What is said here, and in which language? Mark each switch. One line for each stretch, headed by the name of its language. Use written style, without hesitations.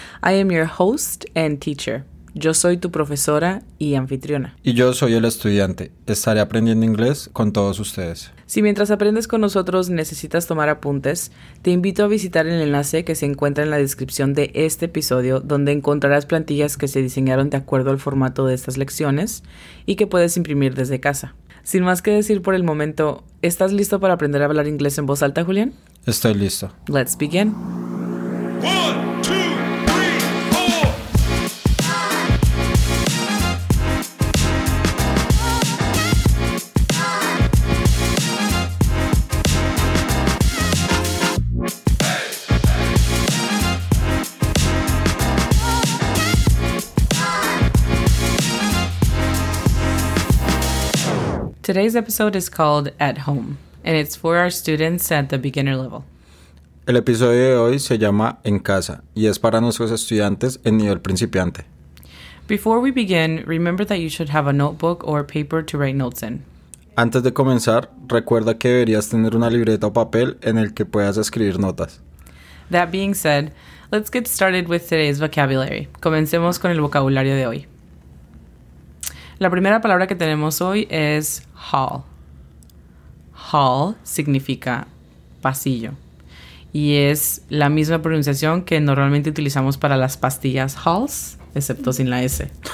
English: I am your host and teacher.
Spanish: Yo soy tu profesora y anfitriona. Y yo soy el estudiante. Estaré aprendiendo inglés con todos ustedes. Si mientras aprendes con nosotros necesitas tomar apuntes, te invito a visitar el enlace que se encuentra en la descripción de este episodio, donde encontrarás plantillas que se diseñaron de acuerdo al formato de estas lecciones y que puedes imprimir desde casa. Sin más que decir por el momento, ¿estás listo para aprender a hablar inglés en voz alta, Julián? Estoy listo.
English: Let's begin. Today's episode is called At Home, and it's for our students at the beginner level.
Spanish: El episodio de hoy se llama En Casa, y es para nuestros estudiantes en nivel principiante.
English: Before we begin, remember that you should have a notebook or paper to write notes in.
Spanish: Antes de comenzar, recuerda que deberías tener una libreta o papel en el que puedas escribir notas.
English: That being said, let's get started with today's vocabulary.
Spanish: Comencemos con el vocabulario de hoy. La primera palabra que tenemos hoy es hall. Hall significa pasillo. Y es la misma pronunciación que normalmente utilizamos para las pastillas halls, excepto sin la S.